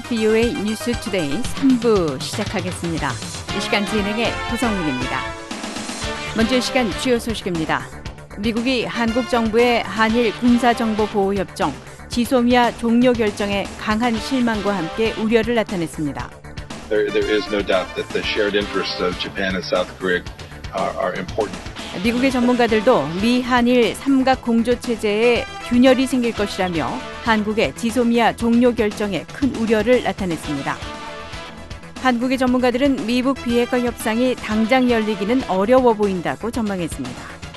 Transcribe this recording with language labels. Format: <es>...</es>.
<ko>VOA 뉴스 투데이 3부 시작하겠습니다. 이 시간 진행의 구성민입니다. 먼저 시간 주요 소식입니다. 미국이 한국 정부의 한일 군사정보보호협정 지소미아 종료 결정에 강한 실망과 함께 우려를 나타냈습니다.</ko> <en>There is no doubt that the shared interests of Japan and South Korea are important.</en> <ko>미국의 전문가들도 미한일 삼각 공조 체제에 균열이 생길 것이라며 한국의 지소미아 종료 결정에 큰 우려를 나타냈습니다. 한국의 전문가들은 미북 비핵화 협상이 당장 열리기는 어려워 보인다고 전망했습니다.</ko>